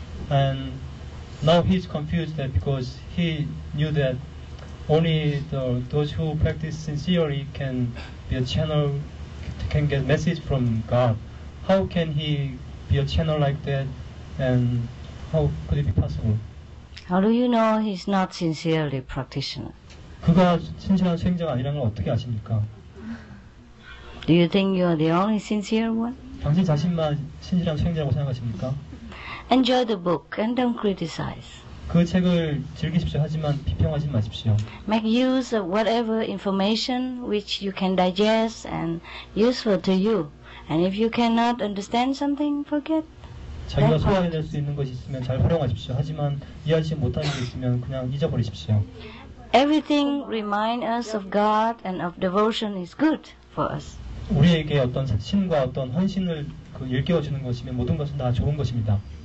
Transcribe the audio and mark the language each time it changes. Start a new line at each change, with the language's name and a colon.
English: And now he's confused that because he knew that only those who practice sincerely can be a channel, can get message from God. How can he be a channel like that, and how could it be possible? How do you know he's not sincerely practitioner?
Korean: 그가 진실한 수행자가 아니라는 걸 어떻게 아십니까?
English: Do you think you are the only sincere one?
Korean: 당신 자신만 진실한 수행자라고 생각하십니까?
English: Enjoy the book and don't criticize.
Korean: 그 책을 즐기십시오. 하지만 비평하지 마십시오.
English: Make use of whatever information which you can digest and useful to you. And if you cannot understand something, forget.
Korean: 자기가 소화해낼 수 있는 것이 있으면 잘 활용하십시오. 하지만 이해하지 못하는 게 있으면 그냥 잊어버리십시오.
English: Everything reminds us of God and of devotion is good for us.
Korean: 우리에게 어떤 신과 어떤 헌신을 그 일깨워주는 것이면 모든 것은 다 좋은 것입니다.